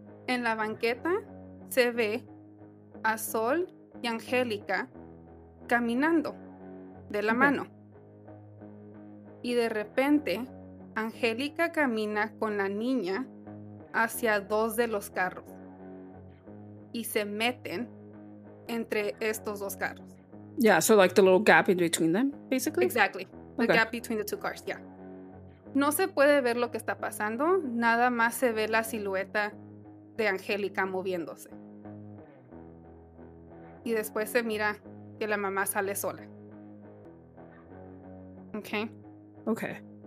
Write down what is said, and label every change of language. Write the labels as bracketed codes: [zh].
[es] En la banqueta se ve a Sol y Angélica caminando de la mano. Y de repente, Angélica camina con la niña hacia dos de los carros y se meten entre estos dos carros. [en] Yeah, so like the little gap in between them, basically? Exactly. The okay. gap between the two cars, yeah. [es] No se puede ver lo que está pasando, nada más se ve la silueta de Angélica moviéndose. Y después se mira que la mamá sale sola. [en] Okay. Okay.